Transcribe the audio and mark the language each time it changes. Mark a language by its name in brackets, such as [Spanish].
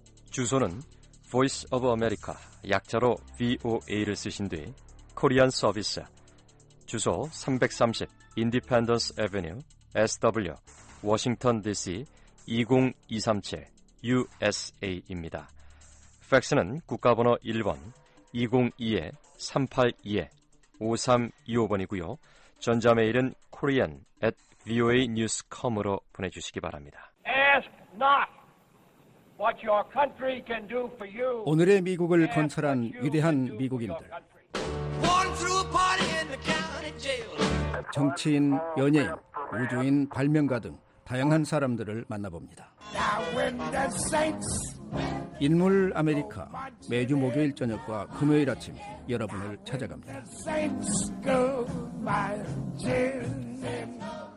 [Korean] 주소는 Voice of America, 약자로 VOA를 쓰신 뒤 Korean Service, 주소 330 Independence Avenue, SW, Washington DC, 20237, USA입니다. 팩스는 국가번호 1번 202-382-5325번이고요. 전자메일은 korean@voanews.com으로 보내주시기 바랍니다. [English] Ask not what your country can do for you. [Korean] 오늘의 미국을 건설한 위대한 미국인들. 정치인, 연예인, 우주인, 발명가 등 다양한 사람들을 만나봅니다. 인물 아메리카, 매주 목요일 저녁과 금요일 아침 여러분을 찾아갑니다.